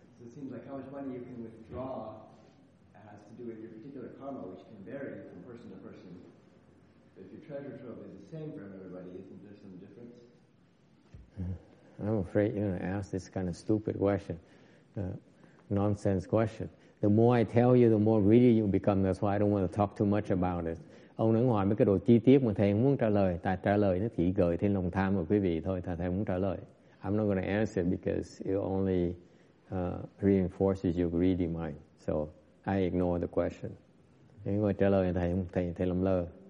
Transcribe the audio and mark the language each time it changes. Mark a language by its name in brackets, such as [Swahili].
[English] So it seems like how much money you can withdraw has to do with your particular karma, which can vary from person to person. But if your treasure trove is the same for everybody, isn't there some difference? I'm afraid you're going to ask this kind of stupid question, nonsense question. The more I tell you, the more greedy you become. That's why I don't want to talk too much about it. [Vietnamese] Ông nói ngoài mấy cái đồ chi tiết mà thầy không muốn trả lời, tại trả lời nó chỉ gợi thêm lòng tham của quý vị thôi, thầy không muốn trả lời. [English] I'm not going to answer because it only reinforces your greedy mind. So I ignore the question. [Vietnamese] Nếu mà trả lời thầy làm lơ.